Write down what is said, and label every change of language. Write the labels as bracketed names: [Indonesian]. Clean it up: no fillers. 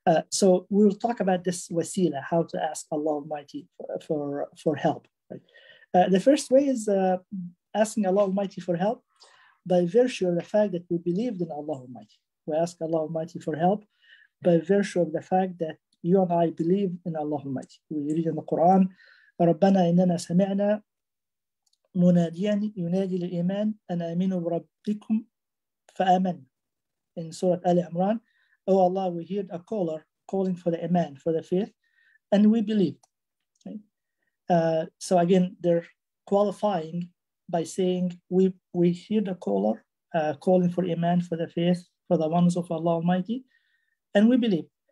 [English] So we'll talk about this wasila, how to ask Allah Almighty for help. Right? The first way is asking Allah Almighty for help by virtue of the fact that we believed in Allah Almighty. We ask Allah Almighty for help by virtue of the fact that you and I believe in Allah Almighty. We read in the Quran, [Arabic] رَبَّنَا إِنَّنَا سَمِعْنَا مُنَادِيًا يُنَادِي لِلْإِيمَانِ أَنْ أَمِنُوا بِرَبِّكُمْ فَأَمَنْ. [English] In Surah Ali Imran, O Allah, we heard a caller calling for the iman, for the faith, and we believed. So again, they're qualifying by saying, we hear the caller calling for iman, for the faith, for the ones of Allah Almighty, and we believe.